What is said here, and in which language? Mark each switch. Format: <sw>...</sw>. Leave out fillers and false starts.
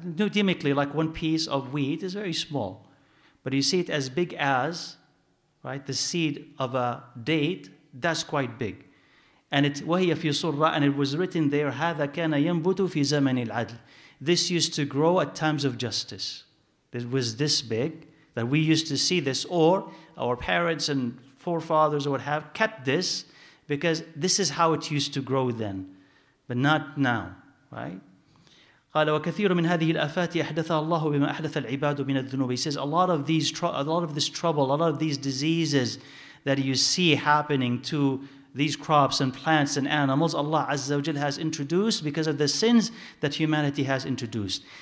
<en>Numerically, like one piece of wheat is very small. But you see it as big as, right, the seed of a date, that's quite big. And it</en> <ar>وَهِيَ فِي سُرَّةٍ,</ar> <en>and it was written there,</en> <ar>هَذَا كَانَ يَنْبُتُ فِي زَمَنِ الْعَدْلِ.</ar> <en>This used to grow at times of justice. It was this big that we used to see this, or our parents and forefathers would have kept this because this is how it used to grow then, but not now, right?</en> <ar>قال وكثير من هذه الآفات أحدثها الله بما أحدث العباد من الذنوب.</ar> <en>He says a lot of this trouble, a lot of these diseases that you see happening to these crops and plants and animals, Allah Azza wa Jal has introduced because of the sins that humanity has introduced.</en>